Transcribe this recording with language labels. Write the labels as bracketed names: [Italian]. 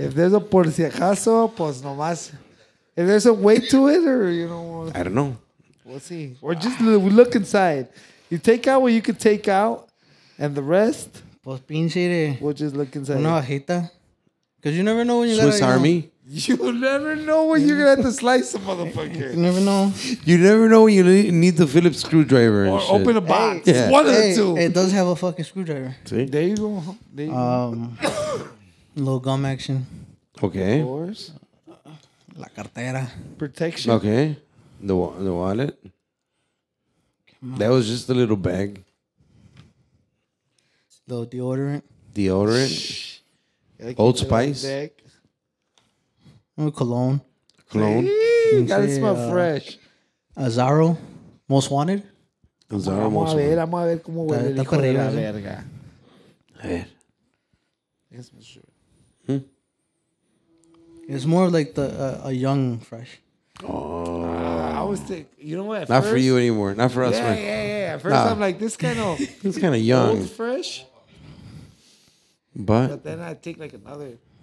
[English] If there's a [Spanish] por si acaso, pues nomás... [English] If there's a way to it, or you know... I don't know. We'll see. Or just look inside. You take out what you could take out, and the rest, [Spanish] pues pinche de, [English] we'll just look inside. [Spanish] Una bajita. [English] Because you never know when you're going to... Swiss Army? You never know when you're going to have to slice a motherfucker. You never know. You never know when you need the Phillips screwdriver. Or and shit. Open a box. Hey, yeah. One of the two. It does have a fucking screwdriver. See? There you go. There you go. little gum action. Okay. Of course. [Spanish] La cartera. [English] Protection. Okay. The wallet. That was just a little bag. The deodorant. Shh. Old Spice. Cologne. Cologne. Hey, gotta smell fresh. Azaro, Most Wanted. Azaro, Most Wanted. [Spanish] Vamos a ver cómo huele el hijo de la verga. A ver. [English] It's more of like the a young fresh. Oh, I was thinking, you know what? Not for you anymore. Not for us. Yeah. At first, I'm like, this kind of, this kind of young, old, fresh. But then I take like another.